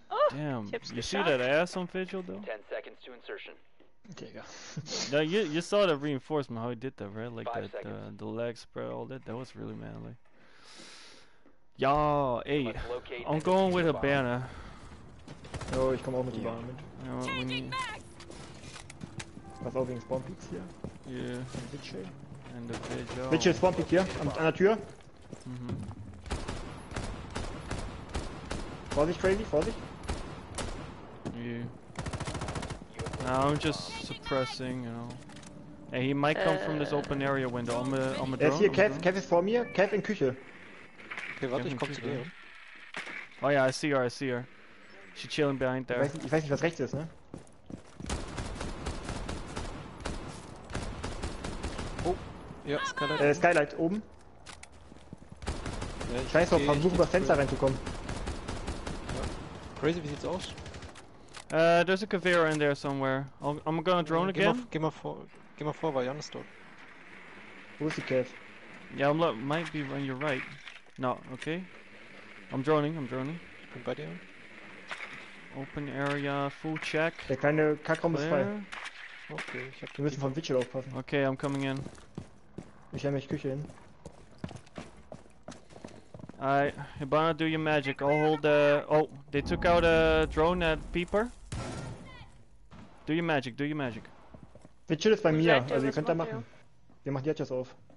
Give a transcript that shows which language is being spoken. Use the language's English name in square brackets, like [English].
[English] Damn, you see that ass on Vigil, though? 10 seconds to insertion. [German] Digga. [English] Now, you saw the reinforcement, how he did that, right? Like, the leg spread, all that. That was really manly. Y'all, hey, I'm going with a banner. [German] Oh, ich komme auch mit die Bahn mit. Pass auf wegen Spawn Peaks hier. [English] Yeah. [German] Und Vigil. Vigil Spawn Peak hier, an der Tür. Mhm. Vorsicht, Crazy, Vorsicht. [English] Yeah. Now I'm just suppressing, you know. Hey, he might come from this open area window. I'm a drone. [German] Er ist hier, Kev. Kev ist vor mir. Kev in Küche. Okay, warte, ich komm zu dir. [English] Oh yeah, I see her, I see her. She's chilling behind there. [German] Ich weiß nicht, was rechts ist, ne? Oh, ja, Skylight. Skylight oben. Ja, ich weiß noch, versuch über das Fenster reinzukommen. Ja. Crazy, wie sieht's aus? [English] There's a conveyor in there somewhere. I'm gonna drone again. [German] Geh mal vor, weil Jan ist dort. Wo ist die Cave? [English] Yeah, might be on your right. No, okay. I'm droning. [German] Ich bin bei dir. [English] Open area, full check. [German] Der kleine Kackraum ist frei. Okay, ich hab. Wir müssen vom Vigil aufpassen. [English] Okay, I'm coming in. [German] Ich hänge mich Küche hin. [English] Alright, Ibana, do your magic. I'll hold the. Oh, they took out a drone at Peeper. Do your magic. [German] Vigil ist bei mir, also ihr könnt da machen. Wir machen die Hatches auf.